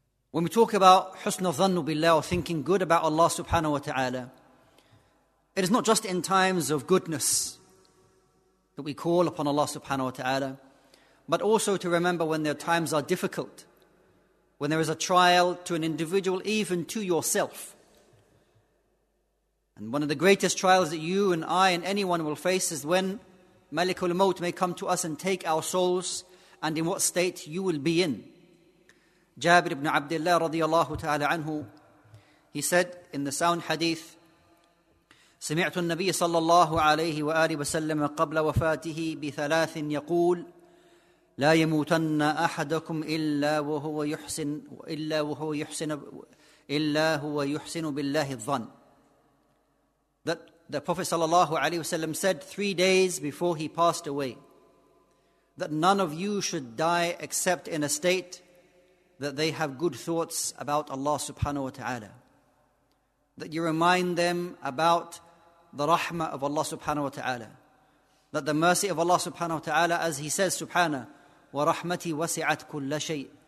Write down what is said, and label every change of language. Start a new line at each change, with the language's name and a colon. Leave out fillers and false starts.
English: When we talk about
Arabic: حسن الظن بالله,
English: or thinking good about Allah subhanahu wa ta'ala, it is not just in times of goodness that we call upon Allah subhanahu wa ta'ala, but also to remember when their times are difficult, when there is a trial to an individual, even to yourself. And one of the greatest trials that you and I and anyone will face is when Malikul Maut may come to us and take our souls, and in what state you will be in. Jabir ibn Abdullah radiallahu ta'ala anhu, he said in the sound hadith,
Arabic: سمعت النبي صلى الله عليه وآله وسلم قبل وفاته بثلاث يقول لا يموتن أحدكم إلا وهو يحسن إلا هو يحسن بالله الظن.
English: That the Prophet
Arabic: صلى الله عليه وسلم
English: said 3 days before he passed away that none of you should die except in a state that they have good thoughts about Allah subhanahu wa ta'ala. That you remind them about the rahmah of Allah subhanahu wa ta'ala, that the mercy of Allah subhanahu wa ta'ala, as he says, subhana wa rahmati wasi'at kulla shay',